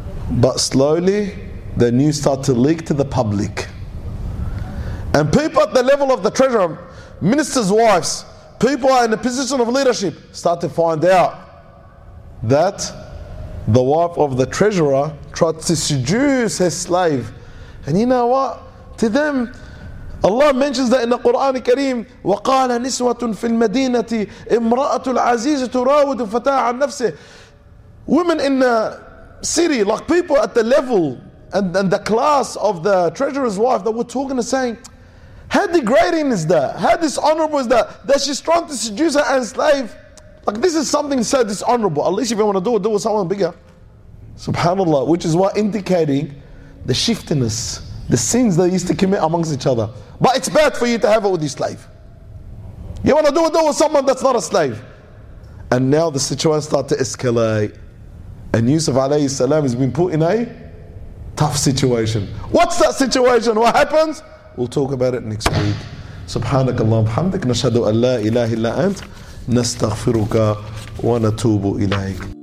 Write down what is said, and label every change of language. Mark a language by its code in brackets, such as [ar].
[en] But slowly, the news started to leak to the public. And people at the level of the treasurer, ministers' wives, people are in a position of leadership, start to find out that the wife of the treasurer tried to seduce her slave. And you know what? To them, Allah mentions that in the Quran Kareem, [ar] وَقَالَ نِسْوَةٌ فِي الْمَدِينَةِ إِمْرَأَةُ الْعَزِيزِ تُرَاوِدُ فَتَاعَ عَنْ نَفْسِهِ. [en] Women in the city, like people at the level and the class of the treasurer's wife, that were talking and saying, how degrading is that? How dishonorable is that? That she's trying to seduce her and slave. Like, this is something so dishonorable. At least if you want to do it, do it with someone bigger. Subhanallah, which is what indicating the shiftiness, the sins they used to commit amongst each other. But it's bad for you to have it with your slave. You want to do it, do it with someone that's not a slave. And now the situation starts to escalate. And Yusuf alayhi salam has been put in a tough situation. What's that situation? What happens? We'll talk about it next week. [ar] سبحانك اللهم وبحمدك نشهد أن لا إله إلا أنت نستغفرك ونتوب إليك.